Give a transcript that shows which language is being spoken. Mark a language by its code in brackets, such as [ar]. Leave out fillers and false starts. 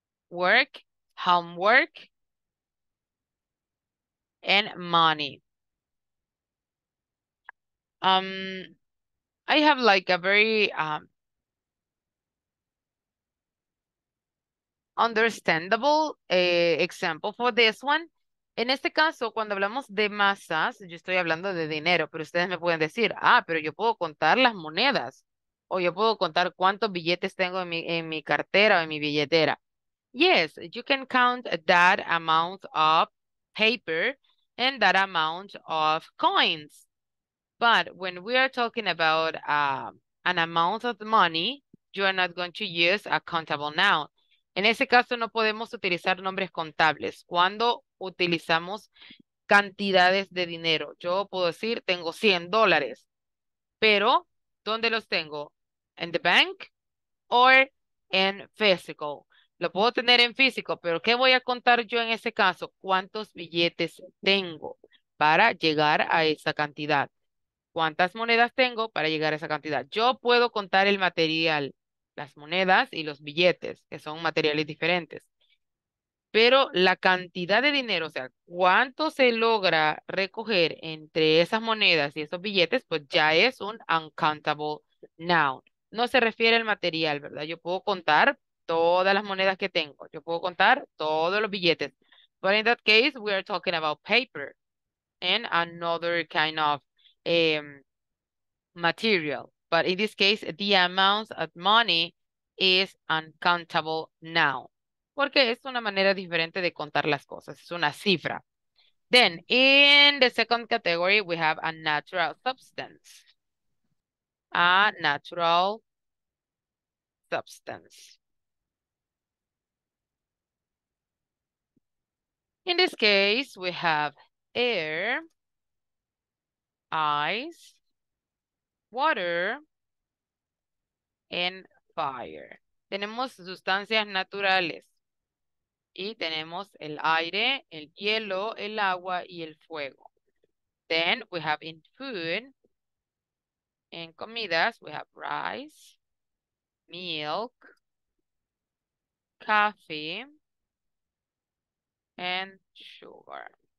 [en] Work, homework, and money. I have like a very understandable example for this one. [es] En este caso, cuando hablamos de masas, yo estoy hablando de dinero, pero ustedes me pueden decir, ah, pero yo puedo contar las monedas, o yo puedo contar cuántos billetes tengo en mi cartera o en mi billetera. [en] Yes, you can count that amount of paper and that amount of coins. But when we are talking about an amount of money, you are not going to use a countable noun. [es] En ese caso, no podemos utilizar nombres contables. Cuando utilizamos cantidades de dinero, yo puedo decir, tengo $100. Pero, ¿dónde los tengo? ¿En [en] the bank or in physical? [es] Lo puedo tener en físico, pero ¿qué voy a contar yo en ese caso? ¿Cuántos billetes tengo para llegar a esa cantidad? ¿Cuántas monedas tengo para llegar a esa cantidad? Yo puedo contar el material, las monedas y los billetes, que son materiales diferentes. Pero la cantidad de dinero, o sea, cuánto se logra recoger entre esas monedas y esos billetes, pues ya es un uncountable noun. No se refiere al material, ¿verdad? Yo puedo contar todas las monedas que tengo. Yo puedo contar todos los billetes. [en] But in that case, we are talking about paper and another kind of material. But in this case, the amount of money is uncountable noun. [es] Porque es una manera diferente de contar las cosas. Es una cifra. [en] Then, in the second category, we have a natural substance. A natural substance. In this case, we have air, ice, water, and fire. [es] Tenemos sustancias naturales. Y tenemos el aire, el hielo, el agua y el fuego. [en] Then we have in food, [es] en comidas, [en] we have rice, milk, coffee, and sugar.